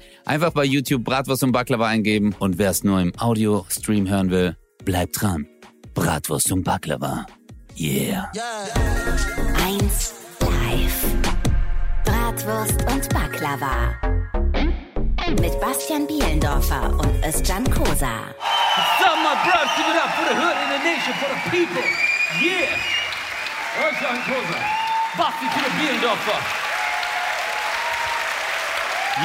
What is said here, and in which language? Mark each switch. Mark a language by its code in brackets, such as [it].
[de] Einfach bei YouTube Bratwurst und Baklava eingeben. Und wer es nur im Audio-Stream hören will, bleibt dran. Bratwurst und Baklava. [en] Yeah. Yeah. [de] Eins. Bratwurst und Baklava mit Bastian Bielendorfer und Özcan Kosa. Sag mal, Bruder, [en] give it up for the hood in the nation, for the people. Yeah. Özcan Kosa. [de] Basti für Bielendorfer.